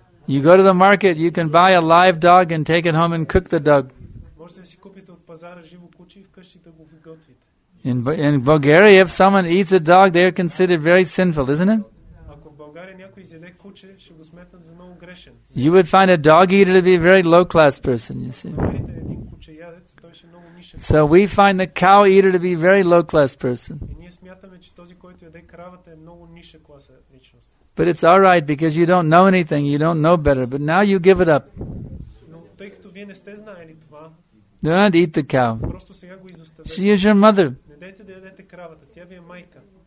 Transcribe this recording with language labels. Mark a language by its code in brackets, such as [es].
[en] You go to the market, you can buy a live dog and take it home and cook the dog. [bg] Можете да си купите от пазара живо куче и вкъщи да го готвите. [en] In Bulgaria, if someone eats a dog, they are considered very sinful, isn't it? [bg] Ако в България някой изяде куче, ще го сметнат за много грешен. [en] You would find a dog eater to be a very low class person, you see. So we find the cow eater to be a very low class person. [bg] И ние смятаме, че този, който яде кравата, е много ниша класа личност. [en] But it's all right because you don't know anything, you don't know better, but now you give it up. [bg] Но тъй като вие не сте знаели това. [en] Do not eat the cow. [bg] Просто сега го изоставете. [en] She is your mother. [bg] Не дайте да ядете кравата, тя ви е майка.